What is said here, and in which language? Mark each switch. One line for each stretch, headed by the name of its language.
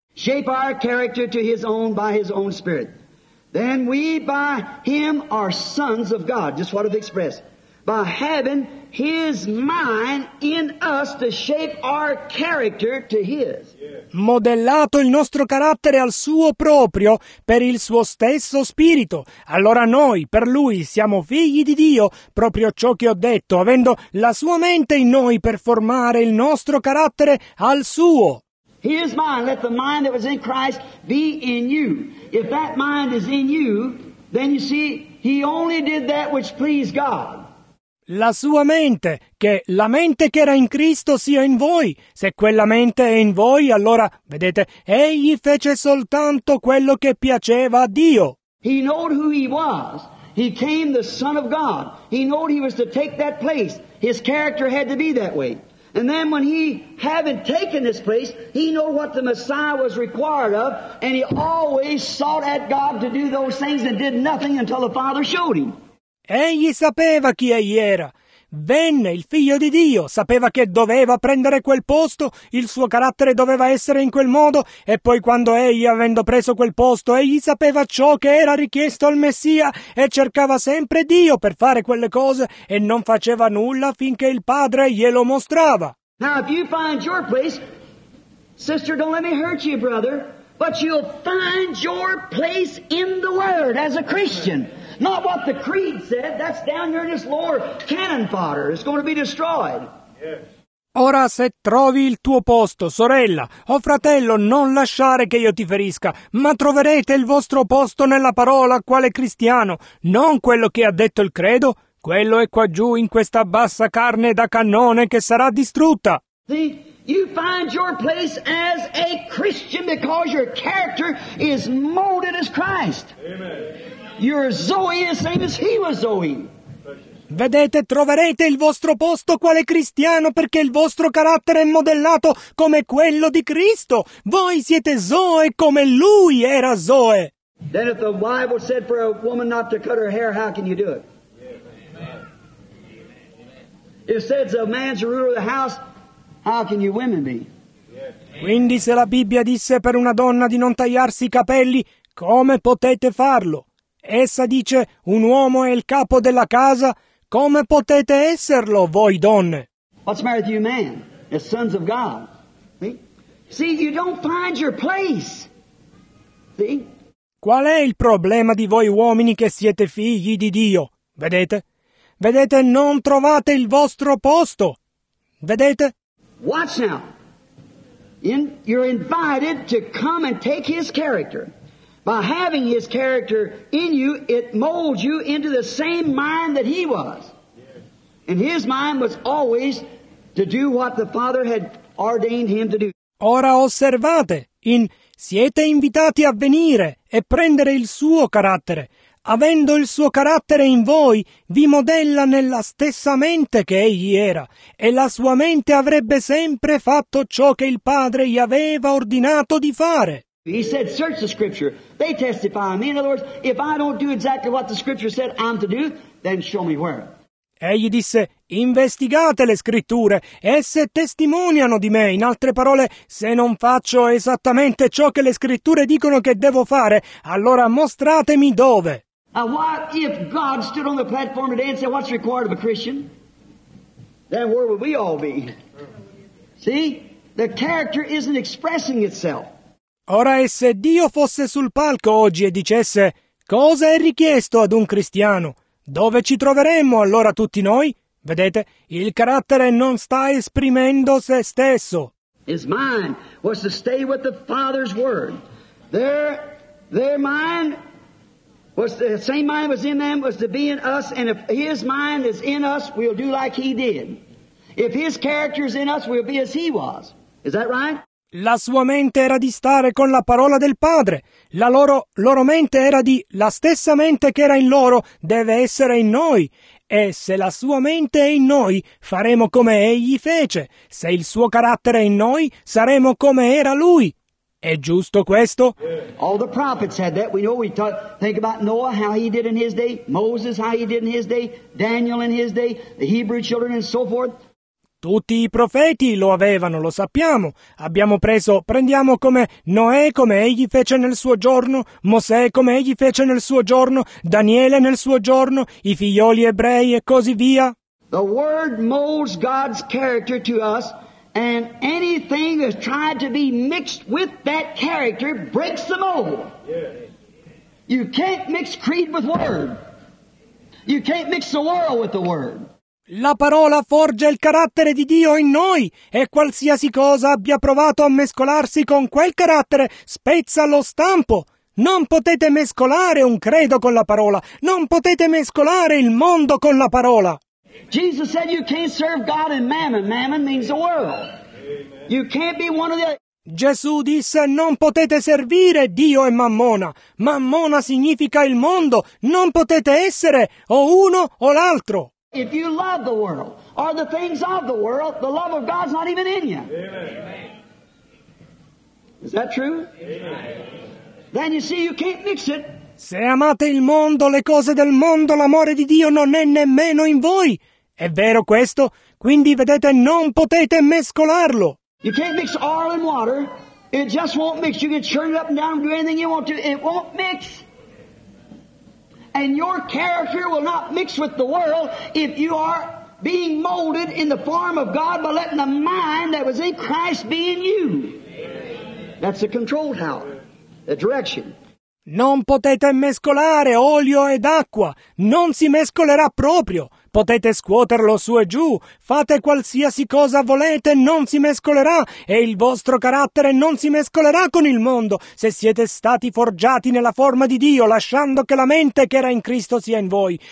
English: Shape our character to his own by his own spirit. Then we by him are sons of God, just what I've expressed, by having his mind in us to shape our character to his.
Italian: Modellato il nostro carattere al suo proprio per il suo stesso spirito. Allora noi, per lui, siamo figli di Dio, proprio ciò che ho detto, avendo la sua mente in noi per formare il nostro carattere al suo.
English: His mind, let the mind that was in Christ be in you. If that mind is in you, then you see, he only did that which pleased God.
Italian: la sua mente, che la mente che era in Cristo sia in voi. Se quella mente è in voi, allora, vedete, egli fece soltanto quello che piaceva a Dio.
English: He knowed who he was. He came the Son of God. He knowed he was to take that place. His character had to be that way. And then when he, having taken this place, he knew what the Messiah was required of, and he always sought at God to do those things and did nothing until the Father showed him.
Italian: Egli sapeva chi egli era. Venne il Figlio di Dio, sapeva che doveva prendere quel posto, il suo carattere doveva essere in quel modo, e poi quando egli, avendo preso quel posto, egli sapeva ciò che era richiesto al Messia e cercava sempre Dio per fare quelle cose e non faceva nulla finché il Padre glielo mostrava.
English: Now if you find your place, sister, don't let me hurt you, brother, but you'll find your place in the Word as a Christian. Not what the creed said, that's down here in this lower cannon fodder, it's going to be destroyed.
Italian: Ora se trovi il tuo posto, sorella o fratello, non lasciare che io ti ferisca, ma troverete il vostro posto nella parola quale cristiano, non quello che ha detto il credo, quello è qua giù in questa bassa carne da cannone che sarà distrutta.
English: See, you find your place as a Christian because your character is molded as Christ. Amen. Your Zoe is same as he was Zoe.
Italian: Vedete, troverete il vostro posto quale cristiano perché il vostro carattere è modellato come quello di Cristo. Voi siete Zoe come lui era Zoe.
English: Then if the Bible said for a woman not to cut her hair, how can you do it? Amen. If it says a man's the ruler of the house, how can you women be?
Italian: Quindi se la Bibbia disse per una donna di non tagliarsi i capelli, come potete farlo? Essa dice, un uomo è il capo della casa, come potete esserlo voi donne?
English: What's the matter with you men, as sons of God? See, you don't find your place. See?
Italian: Qual è il problema di voi uomini che siete figli di Dio? Vedete? Vedete, non trovate il vostro posto. Vedete?
English: Watch now. You're invited to come and take his character. By having his character in you, it molds you into the same mind that he was. And his mind was always to do what the Father had ordained him to do.
Italian: Ora osservate, siete invitati a venire e prendere il suo carattere. Avendo il suo carattere in voi, vi modella nella stessa mente che egli era. E la sua mente avrebbe sempre fatto ciò che il Padre gli aveva ordinato di fare.
English: He said, search the scripture. They testify on me. In other words, if I don't do exactly what the scripture said I'm to do, then show me where.
Italian: Egli disse, investigate le scritture. Esse testimoniano di me. In altre parole, se non faccio esattamente ciò che le scritture dicono che devo fare, allora mostratemi dove.
English: Now what if God stood on the platform today and said, what's required of a Christian? Then where would we all be? See? The character isn't expressing itself.
Italian: Ora e se Dio fosse sul palco oggi e dicesse, cosa è richiesto ad un cristiano? Dove ci troveremmo allora tutti noi? Vedete, il carattere non sta esprimendo se stesso.
English: His mind was to stay with the Father's word. Their mind was the same mind was in them was to be in us, and if his mind is in us, we'll do like he did. If his character is in us, we'll be as he was. Is that right?
Italian: La sua mente era di stare con la parola del Padre. La loro mente era di la stessa mente che era in loro deve essere in noi. E se la sua mente è in noi, faremo come egli fece. Se il suo carattere è in noi, saremo come era lui. È giusto questo?
English: All the prophets had that. We know we talk, think about Noah, how he did in his day, Moses, how he did in his day, Daniel in his day, the Hebrew children and so forth.
Italian: Tutti i profeti lo avevano, lo sappiamo. Prendiamo come Noè, come egli fece nel suo giorno, Mosè, come egli fece nel suo giorno, Daniele nel suo giorno, i figlioli ebrei e così via.
English: The word molds God's character to us, and anything that's tried to be mixed with that character breaks the mold. You can't mix creed with word. You can't mix the world with the word.
Italian: La parola forgia il carattere di Dio in noi e qualsiasi cosa abbia provato a mescolarsi con quel carattere spezza lo stampo. Non potete mescolare un credo con la parola, non potete mescolare il mondo con la parola.
English: Jesus said you can't serve God and mammon. Mammon means the world. You can't be one of the...
Italian: Gesù disse: non potete servire Dio e Mammona. Mammona significa il mondo. Non potete essere o uno o l'altro.
English: If you love the world or the things of the world, the love of God's not even in you. Amen. Is that true? Amen. Then you see you can't mix it.
Italian: Se amate il mondo, le cose del mondo, l'amore di Dio non è nemmeno in voi. È vero questo? Quindi vedete, non potete mescolarlo.
English: You can't mix oil and water. It just won't mix. You can churn it up and down and do anything you want to. It won't mix. And your character will not mix with the world if you are being molded in the form of God by letting the mind that was in Christ be in you. That's the control tower, the direction.
Italian: Non potete mescolare olio ed acqua. Non si mescolerà proprio. Potete scuoterlo su e giù, fate qualsiasi cosa volete, non si mescolerà, e il vostro carattere non si mescolerà con il mondo, se siete stati forgiati nella forma di Dio, lasciando che la mente che era in Cristo sia in voi.